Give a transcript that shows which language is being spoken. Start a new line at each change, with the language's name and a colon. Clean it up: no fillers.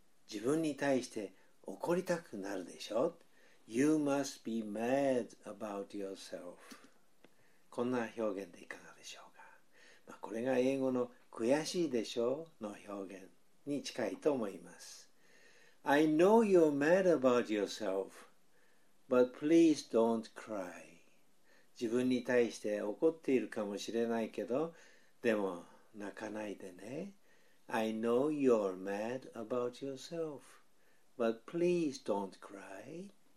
Japanese: 自分に対して怒りたくなるでしょ。
English: You must be mad about yourself。
Japanese: こんな表現でいかがでしょうか。まあ、これが英語の悔しいでしょうの表現に近いと思います。
English: I know you're mad about yourself, but please don't cry。
Japanese: 自分に対して怒っているかもしれないけど、でも泣かないでね。
English: I know you're mad about yourself, but please don't cry。